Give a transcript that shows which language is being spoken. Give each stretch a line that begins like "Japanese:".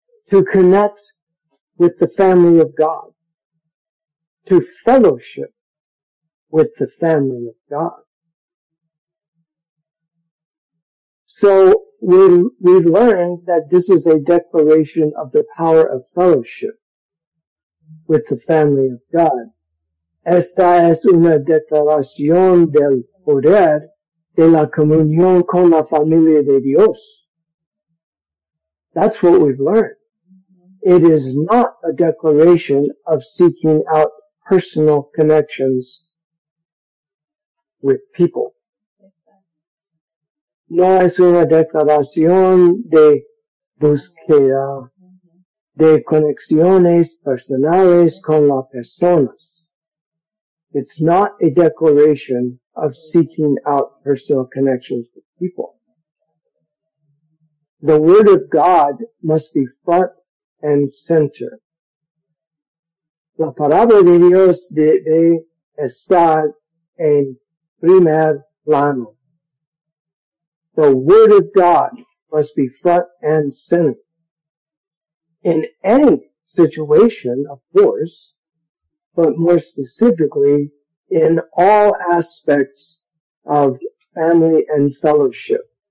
English: to connect with the family of God, to fellowship with the family of God. So we learned that this is a declaration of the power of fellowship with the family of God.
Spanish: Esta es una declaración del poder de la comunión con la familia de Dios.
English: That's what we've learned. It is not a declaration of seeking out personal connections with people.
Spanish: No es una declaración de búsqueda de conexiones personales con las personas.
English: It's not a declaration of seeking out personal connections with people. The Word of God must be front and center.
Spanish: La palabra de Dios debe estar en primer plano.
English: The Word of God must be front and center. In any situation, of course, but more specifically, in all aspects of family and fellowship.